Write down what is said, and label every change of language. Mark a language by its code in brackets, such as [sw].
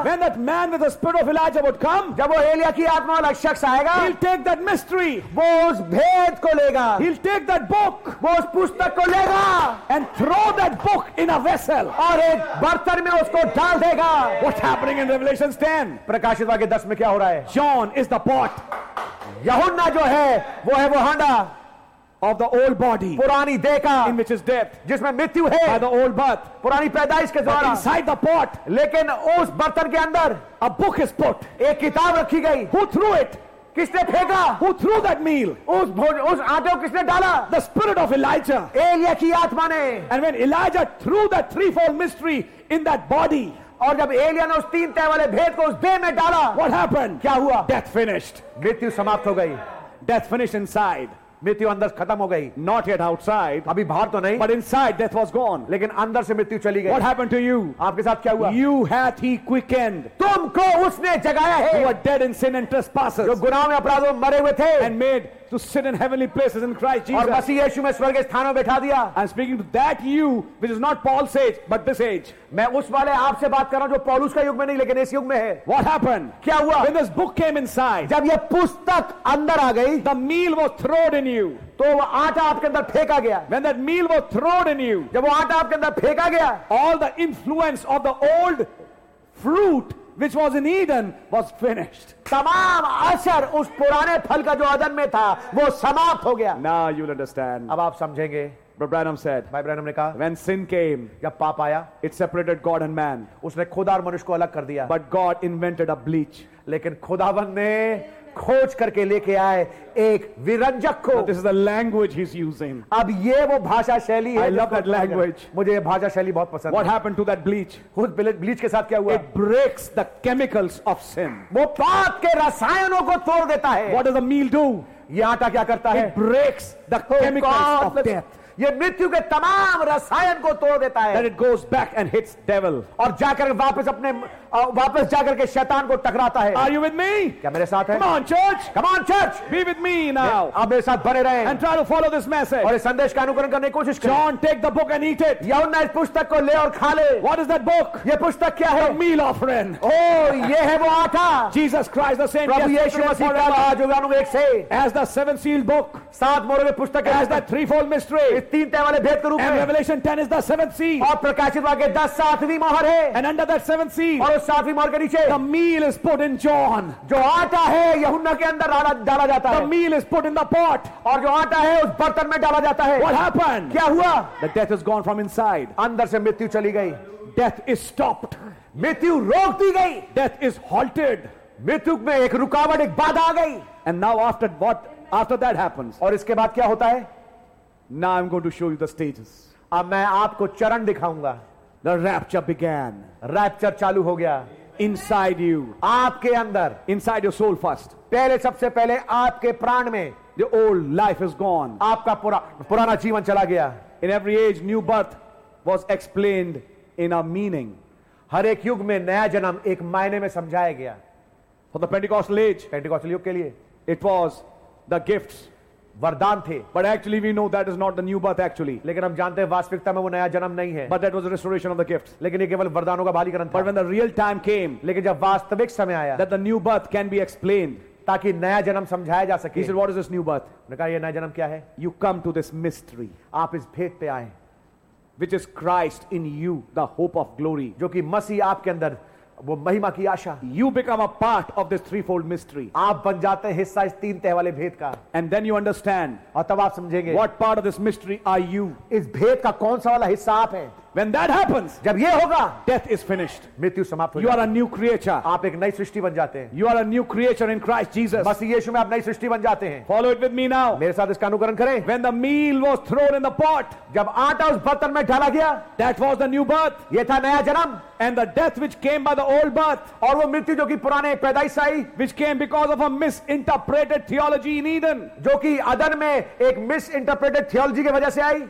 [en] when that man with the spirit of Elijah would come, [hi] जब वो एलिया की आत्मा वाला शख्स आएगा, [en] he'll take that mystery, [hi] वो उस भेद को लेगा, [en] he'll take that book, [hi] वो उस पुस्तक को लेगा, [en] and throw that book in a [hi] और एक बर्तन में उसको डाल देगा. [en] What's happening in Revelation 10? [hi] प्रकाशित वाक्य 10 में क्या हो रहा है? [en] John is the pot. [hi] यहुन्ना जो है वो हांडा. [en] Of the old body, [hi] पुरानी देह का, [en] in which is death, [hi] जिसमें मृत्यु है. [en] By the old birth, [hi] पुरानी पैदाइश के द्वारा. [en] Inside the pot, [hi] लेकिन उस बर्तन के अंदर, [en] a book is put, [hi] एक किताब रखी गई. [en] Who threw it? [hi] किसने फेंका? [en] Who threw that meal? [hi] उस आटे को किसने डाला? [en] The spirit of Elijah. [hi] Elia की आत्मा ने. [en] And when Elijah threw that threefold mystery in that body. [hi] और जब एलिया ने उस तीन तय वाले भेद को उस देह में डाला. [en] What happened? [hi] क्या हुआ? [en] Death finished. [hi] मृत्यु समाप्त हो गई. [en] Death finished inside. [hi] मृत्यु अंदर खत्म हो गई. [en] Not yet outside. [hi] अभी बाहर तो नहीं. [en] But inside death was gone. [hi] लेकिन अंदर से मृत्यु चली गई. [en] What happened to you? [hi] आपके साथ क्या हुआ? [en] You hath he quickened. [hi] तुमको उसने जगाया है. [en] You were dead in sin and trespasses. [hi] जो गुनाह में अपराधों में मरे हुए थे. [en] And made to sit in heavenly places in Christ Jesus. [hi] और मसीह यीशु में स्वर्ग के स्थानों में बैठा दिया. [en] I'm speaking to that you, which is not Paul's age, but this age. [hi] मैं उस वाले आपसे बात कर रहा हूं जो पौलुस का युग में नहीं लेकिन इस युग में है. [en] What happened? [hi] क्या हुआ? [en] When this book came inside, [hi] जब ये पुस्तक अंदर आ गई, [en] the meal was thrown in you. [hi] तो वो आटा आपके अंदर फेंका गया. [en] When that meal was thrown in you, [hi] जब वो आटा आपके अंदर फेंका गया, [en] all the influence of the old fruit which was in Eden was finished. [hi] तमाम असर उस पुराने फल का जो अदन में था वो समाप्त हो गया. [en] Now you'll understand. [hi] अब आप समझेंगे. [en] But Branham said, [hi] भाई ब्रैनम ने कहा, [en] when sin came, [hi] जब पाप आया, [en] it separated God and man. [hi] उसने खुदा और मनुष्य को अलग कर दिया. [en] But God invented a bleach. [hi] लेकिन खुदावन ने खोज करके लेके आए एक विरंजक को. [en] This is the language he's using. [hi] अब ये वो भाषा शैली है. [en] I love that language. [hi] मुझे ये भाषा शैली बहुत पसंद है. [en] What happened to that bleach? [hi] उस ब्लीच के साथ क्या हुआ? [en] It breaks the chemicals of sin. [hi] वो पाप के रसायनों को तोड़ देता है. [en] What does the meal do? [hi] ये आटा क्या करता है? [en] It breaks the chemicals of death. [hi] ये मृत्यु के तमाम रसायन को तोड़ देता है. [en] Then it goes back and hits devil. [hi] और जाकर वापस अपने वापस जाकर के शैतान को टकराता है. [en] Are you with me? [hi] क्या मेरे साथ है? [en] Come on, church. Be with me now. [hi] आप मेरे साथ बने रहें. [en] And try to follow this message. [hi] और इस संदेश का अनुकरण करने की कोशिश करें. [en] John, take the book and eat it. [hi] यूहन्ना इस पुस्तक को ले और खा ले. [en] What is that book? [hi] ये पुस्तक क्या है? [en] The meal offering. [hi] Oh, ये है वो आटा. [en] Jesus Christ, the same. [hi] प्रभु यीशु मसीह का आज उगानु एक से. [en] As the seven sealed book. [hi] सात मोरों की पुस्तक. [en] As the threefold mystery. [hi] इस तीन तह वाले भेद के रूप में. [en] And Revelation 10 is the seventh seal. [hi] और प्रकाशित वाक्य 10 सातवीं मोहर है. [en] And under that seventh seal. [hi] और उस सातवीं मोहर के नीचे. [en] The meal is put in John. [hi] जो आटा है यूहन्ना के अंदर डाला जाता है. [en] The meal is put in the pot. [hi] और जो आटा है उस बर्तन में डाला जाता है. [en] What happened? [hi] क्या हुआ? [en] The death is gone from inside. [hi] अंदर से मृत्यु चली गई. [en] Death is stopped. [hi] मृत्यु रोक दी गई. [en] Death is halted. [hi] मृत्यु में एक रुकावट एक बाधा आ गई. [en] And now after that happens. [hi] और इसके बाद क्या होता है? [en] Now I'm going to show you the stages. [hi] अब मैं आपको चरण दिखाऊंगा. [en] The rapture began. [hi] रैप्चर चालू हो गया. [en] Inside you. [hi] आपके अंदर. [en] Inside your soul first. [hi] पहले सबसे पहले आपके प्राण में. [en] The old life is gone. [hi] आपका पुराना जीवन चला गया. [en] In every age, new birth was explained in a meaning. [hi] हर एक युग में नया जन्म एक मायने में समझाया गया. [en] For the Pentecostal age. [hi] Pentecostal युग के लिए. [en] It was the gifts. [hi] वरदान थे. [en] But actually we know that is not the new birth actually. [hi] लेकिन हम जानते हैं वास्तविकता में वो नया जन्म नहीं है. [en] But that was the restoration of the gifts. [hi] लेकिन ये केवल वरदानों का बहालीकरण था. [en] But when the real time came. [hi] लेकिन जब वास्तविक समय आया. [en] That the new birth can be explained. [hi] ताकि नया जन्म समझाया जा सके. [en] He said, what is this new birth? [hi] उन्होंने कहा ये नया जन्म क्या है? [en] You come to this mystery. [hi] आप इस भेद पे आए. [en] Which is Christ in you, the hope of glory. [hi] जो कि मसीह आपके अंदर वो महिमा की आशा. [en] You become a part of this threefold mystery. [hi] आप बन जाते हैं हिस्सा इस तीन तह वाले भेद का. [en] And then you understand. [hi] और तब आप समझेंगे. [en] What part of this mystery are you? [hi] इस भेद का कौन सा वाला हिस्सा आप हैं? [en] When that happens, [hi] जब ये होगा, [en] death is finished. [hi] मृत्यु समाप्त हो. [en] You are a new creature. [hi] आप एक नई सृष्टि बन जाते हैं. [en] You are a new creature in Christ Jesus. [hi] मसीह यीशु में आप नई सृष्टि बन जाते हैं. [en] Follow it with me now. [hi] मेरे साथ इसका अनुकरण करें. [en] When the meal was thrown in the pot, [hi] जब आटा उस बर्तन में डाला गया, [en] that was the new birth. [hi] ये था नया जन्म. [en] And the death which came by the old birth, [hi] और वो मृत्यु जो कि पुराने पैदाइश आई, [en] which came because of a misinterpreted theology in Eden, [hi] जो कि अदन में एक [en] misinterpreted theology [hi] के वजह से आई,